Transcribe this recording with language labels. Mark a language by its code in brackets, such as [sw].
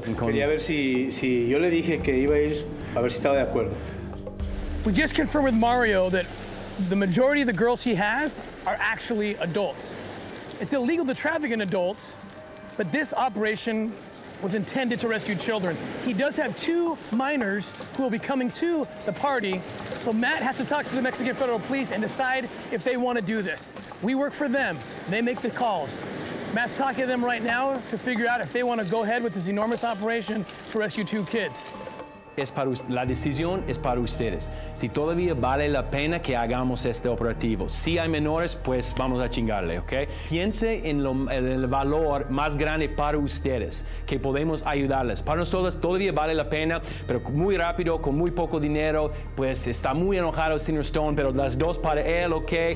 [es] Quería ver si yo le dije que iba a ir, a ver si estaba de acuerdo. [en] We just confirmed with Mario that the majority of the girls he has are actually adults. It's illegal to traffic in adults, but this operation was intended to rescue children. He does have two minors who will be coming to the party, so Matt has to talk to the Mexican Federal Police and decide if they want to do this. We work for them, they make the calls. Matt's talking to them right now to figure out if they want to go ahead with this enormous operation to rescue two kids. [es] Es para usted, la decisión es para ustedes. Si todavía vale la pena que hagamos este operativo. Si hay menores, pues vamos a chingarle, ¿ok? Piense en el valor más grande para ustedes, que podemos ayudarles. Para nosotros todavía vale la pena, pero muy rápido, con muy poco dinero, pues está muy enojado el señor Stone, pero las dos para él, ¿ok?